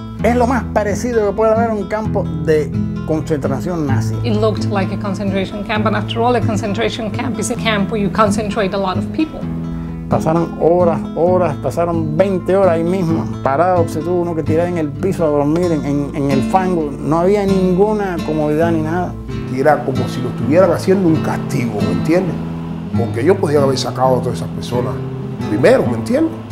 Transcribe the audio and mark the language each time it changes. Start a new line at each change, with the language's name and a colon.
Spanish: Es lo más parecido que puede haber un campo de concentración nazi.
English: It looked like a concentration camp, and after all, a concentration camp is a camp where you concentrate a lot of people.
Spanish: Pasaron horas, pasaron 20 horas ahí mismo, parado, se tuvo uno que tirar en el piso a dormir, en el fango. No había ninguna comodidad ni nada. Era como si lo estuvieran haciendo un castigo, ¿me entiendes? Porque ellos podían haber sacado a todas esas personas primero, ¿me entiendes?